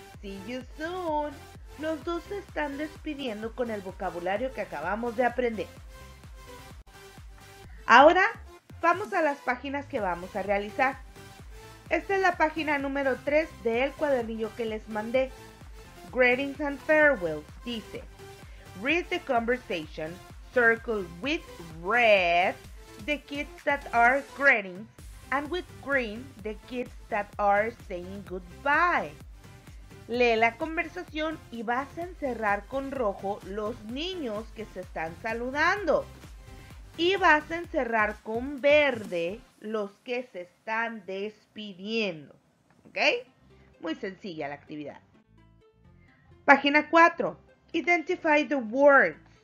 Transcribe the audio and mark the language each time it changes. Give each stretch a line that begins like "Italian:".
English: See you soon.
Spanish: Los dos se están despidiendo con el vocabulario que acabamos de aprender. Ahora, vamos a las páginas que vamos a realizar. Esta es la página número 3 del cuadernillo que les mandé.
English: Greetings and Farewells dice, read the conversation, circle with red, the kids that are greeting, and with green, the kids that are saying goodbye.
Spanish: Lee la conversación y vas a encerrar con rojo los niños que se están saludando. Y vas a encerrar con verde los que se están despidiendo. ¿Ok? Muy sencilla la actividad. Página 4.
English: Identify the words.